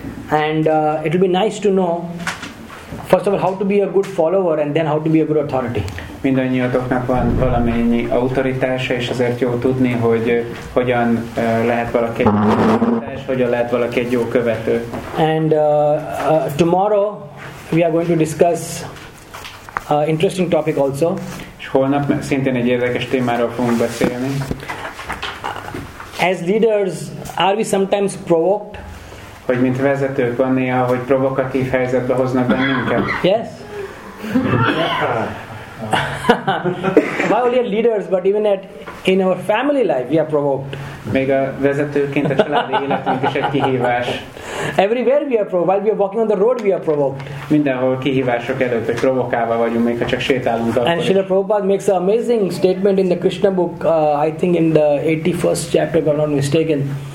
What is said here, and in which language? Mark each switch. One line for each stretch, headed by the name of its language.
English: And it will be nice to know, first of all, how to be a good follower, and then how to be a good authority.
Hungarian: Mindannyiatoknak van valamennyi autoritása, és azért jó tudni, hogy hogyan lehet valaki egy jó autoritás, hogyan lehet valaki egy jó követő.
English: And tomorrow we are going to discuss an interesting topic also.
Hungarian: És holnap szintén egy érdekes témáról fogunk beszélni.
English: As leaders, are we sometimes provoked?
Hungarian: Hogy mint vezetők van néha, hogy provokatív helyzetbe hoznak bennünket.
English: Yes. Not only leaders, but even in our family life, we are provoked.
Hungarian: Még a vezetőként a családi életünk is egy kihívás.
English: Everywhere we are provoked. While we are walking on the road, we are provoked.
Hungarian: Mindenhol kihívások előtt, hogy provokálva vagyunk, még ha csak sétálunk.
English: And Srila Prabhupada makes an amazing statement in the Krishna book, I think in the 81st chapter, if I'm not mistaken.